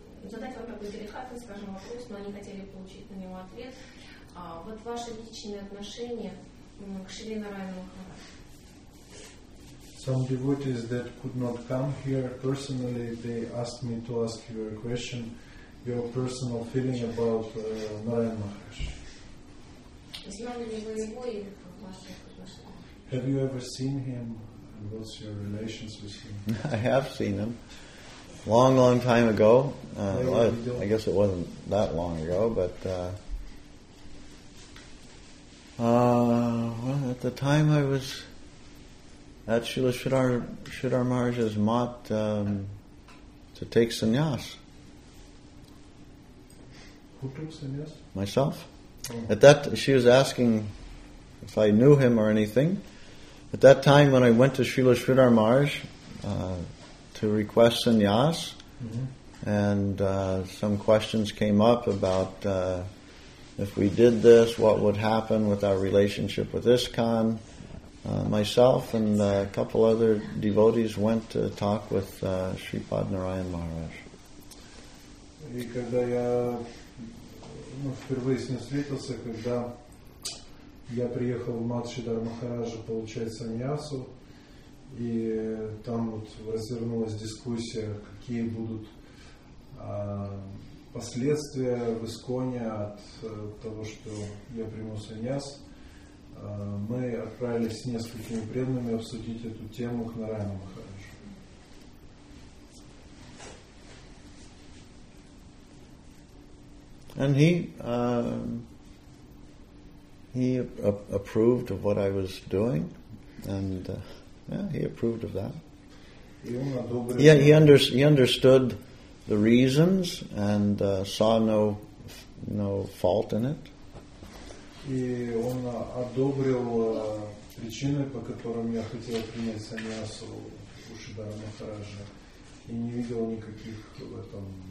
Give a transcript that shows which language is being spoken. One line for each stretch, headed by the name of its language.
Russian: Задать вам такой деликатный, скажем, вопрос, но они хотели получить на него ответ. Вот ваши личные отношения к Шри Нараяна Махараджу.
English: Some devotees that could not come here personally, they asked me to ask you a question. Your personal feeling about Нараяна Махараджу.
Russian: Знали ли вы его или ваши отношения?
English: Have you ever seen him? And what's your relations with him? I have seen him. Long, long time ago. I guess it wasn't that long ago, but well, at the time I was at Srila Sridhar Maharaj's mat to take sannyas. Who took sannyas? Myself. Oh. At that, she was asking if I knew him or anything. At that time, when I went to Srila Sridhar Maharaj, to request sannyas, mm-hmm. And some questions came up about if we did this, what would happen with our relationship with ISKCON. Myself and a couple other devotees went to talk with Sri Padmarayan Maharaj.
Russian: И когда я впервые с ним встретился, когда я приехал в Матшидар Махараджа получать саньясу, и там вот развернулась дискуссия, какие будут последствия в Исконе от того, что я приму саньяс, мы отправились с несколькими преданными обсудить эту тему к Нарайану Махараджу.
English: And he approved of what I was doing, and he approved of that. He understood the reasons and saw no fault in it.
Russian: И он одобрил причины, по которым я хотел принять саньясу у Шридхара Махараджа, и не видел никаких в этом.